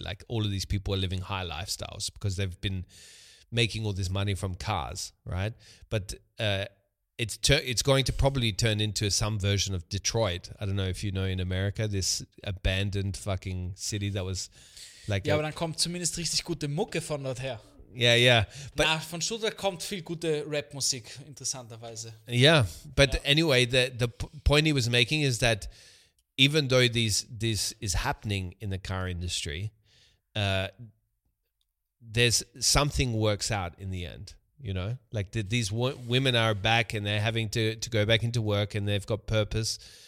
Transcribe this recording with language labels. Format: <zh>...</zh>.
<en>Like all of these people are living high lifestyles because they've been making all this money from cars, right? But it's going to probably turn into some version of Detroit. I don't know if you know in America, this abandoned fucking city that was like...</en> <de>Ja, aber dann kommt zumindest richtig gute Mucke von dort her.</de> <en>Yeah, yeah. But, nah,</en> <de>von Stuttgart kommt viel gute Rap-Musik, interessanterweise.</de> <en>Yeah, but yeah. Anyway, the point he was making is that even though this is happening in the car industry, there's something works out in the end, you know? Like these women are back and they're having to go back into work and they've got purpose.</en>